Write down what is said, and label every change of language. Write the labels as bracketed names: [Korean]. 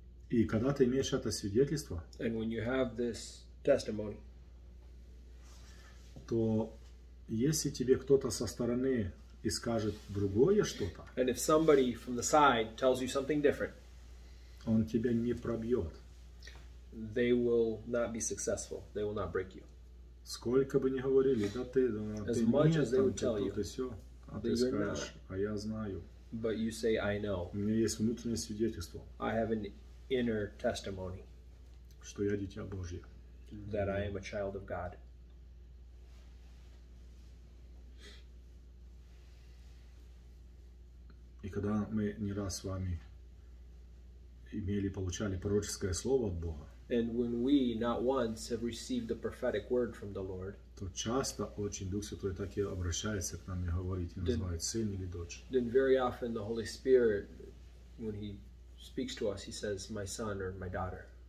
[Russian] И когда ты имеешь это свидетельство, [English] and when you have this testimony, [Russian] то если тебе кто-то со стороны и скажет другое что-то, [English] and if somebody from the side tells you something different, [Russian] он тебя не пробьет. [English] They will not be successful. They will not break you. [Russian] Сколько бы ни говорили, да ты, да, [English] as [Russian] ты [English] much [Russian] нет, [English] as they would tell you, [Russian] а ты скажешь, а я знаю. [English] But you say, I know. [Russian] У меня есть внутреннее свидетельство. [English] I have an inner testimony. [Russian] Что я дитя Божье. [English] That I am a child of God. [Russian] И когда мы не раз с вами имели, получали пророческое слово от Бога. [English] And when we not once have received the prophetic word from the Lord. [Russian] То часто очень Дух Святой так и обращается к нам и говорит, и называет сын или дочь. [English] Then very often the Holy Spirit, when he speaks to us, he says, my son or my daughter.